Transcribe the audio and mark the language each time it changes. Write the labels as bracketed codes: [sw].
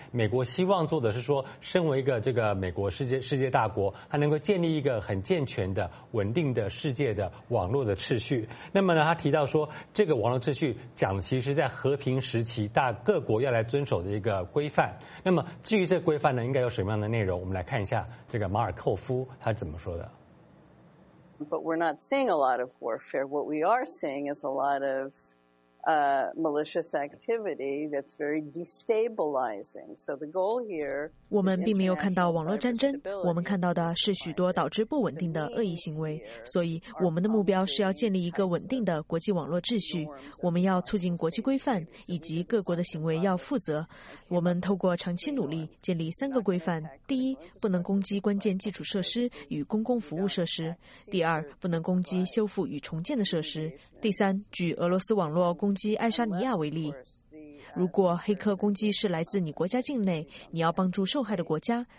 [zh] 美国希望做的是说，身为一个这个美国世界大国，他能够建立一个很健全的、稳定的世界的网络的秩序。那么呢，他提到说，这个网络秩序讲其实是在和平时期大各国要来遵守的一个规范。那么至于这个规范呢，应该有什么样的内容？我们来看一下这个马尔寇夫他怎么说的。 [en] But we're not seeing a lot of warfare. What we are seeing is a lot of malicious activity that's very destabilizing. So the goal here. [zh] 我们并没有看到网络战争，我们看到的是许多导致不稳定的恶意行为。所以我们的目标是要建立一个稳定的国际网络秩序。我们要促进国际规范，以及各国的行为要负责。我们透过长期努力建立三个规范：第一，不能攻击关键基础设施与公共服务设施；第二，不能攻击修复与重建的设施；第三，举俄罗斯网络攻击爱沙尼亚为例，如果黑客攻击是来自你国家境内，你要帮助受害的国家。